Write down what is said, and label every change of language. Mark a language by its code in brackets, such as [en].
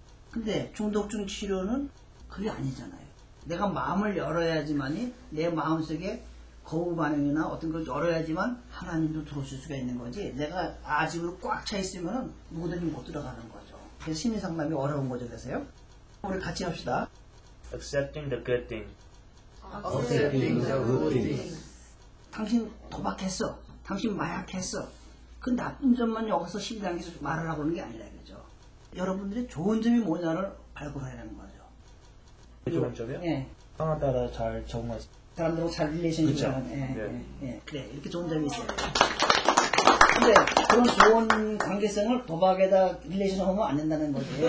[ko] 근데 중독증 치료는 그게 아니잖아요. 내가 마음을 열어야지만이 내 마음속에 거부 반응이나 어떤 걸 열어야지만 하나님도 들어오실 수가 있는 거지 내가 아직으로 꽉 차 있으면 누구든지 못 들어가는 거죠. 그래서 심리 상담이 어려운 거죠. 그래서요. 우리 같이 합시다. [en] Accepting the good thing. Accepting the good thing. [ko] 당신 도박했어. 당신 마약했어. 그 나쁜 점만 여기서 12단계에서 말을 하고 있는 게 아니라 그죠. 여러분들이 좋은 점이 뭐냐를 발굴해야 되는 거죠. 좋은 점이요? 예. 상황 따라 잘 적응하지. 사람들하고 잘 릴레이션이 있죠. 예, 예. 그래, 이렇게 좋은 점이 있어요. 근데 그런 좋은 관계성을 도박에다 릴레이션 하면 안 된다는 거지.